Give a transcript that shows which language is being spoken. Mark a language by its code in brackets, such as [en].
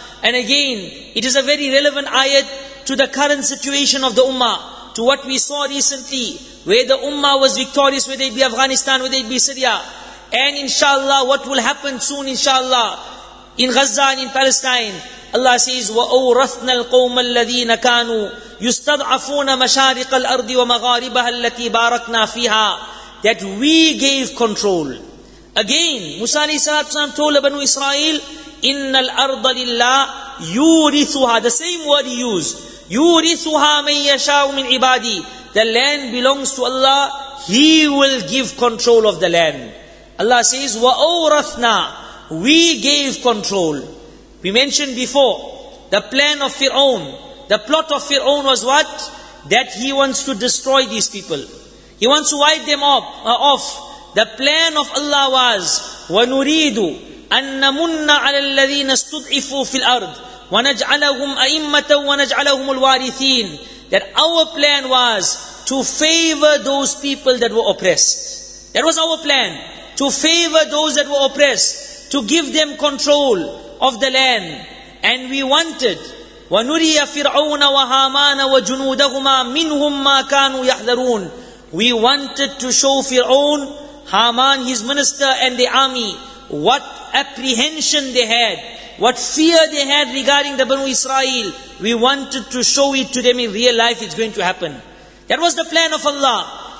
[en] And again, it is a very relevant ayat to the current situation of the ummah. To what we saw recently, where the ummah was victorious, whether it be Afghanistan, whether it be Syria. And inshallah, what will happen soon inshallah, in Gaza and in Palestine. Allah says, [ar] وَأَوْرَثْنَا الْقَوْمَ الَّذِينَ كَانُوا يُسْتَضْعَفُونَ مَشَارِقَ الْأَرْضِ وَمَغَارِبَهَا الَّتِي بَارَكْنَا فِيهَا. [en] That we gave control. Again, Musa alayhi salatu wasalam told Banu Israel, [ar] إِنَّ الْأَرْضَ لِلَّهِ يُورِثُهَا. [en] The same word he used. [ar] يُورِثُهَا مَنْ يَشَاءُ مِنْ عِبَادِي. [en] The land belongs to Allah. He will give control of the land. Allah says, وَأَوْرَثْنَا. We gave control. We mentioned before, the plan of Fir'aun, the plot of Fir'aun was what? That he wants to destroy these people. He wants to wipe them off. The plan of Allah was, [ar] وَنُرِيدُ أَنَّمُنَّ عَلَى الَّذِينَ اسْتُضْعِفُوا فِي الْأَرْضِ وَنَجْعَلَهُمْ أَئِمَّةً وَنَجْعَلَهُمُ الْوَارِثِينَ. [en] That our plan was to favor those people that were oppressed. That was our plan. To favor those that were oppressed. To give them control of the land. And we wanted, [ar] وَنُرِيَ فِرْعَوْنَ وَهَامَانَ وَجُنُودَهُمَا مِنْهُمْ مَا كَانُوا يَحْذَرُونَ. [en] We wanted to show Fir'aun, Haman, his minister and the army, what apprehension they had, what fear they had regarding the Banu Israel. We wanted to show it to them in real life, it's going to happen. That was the plan of Allah.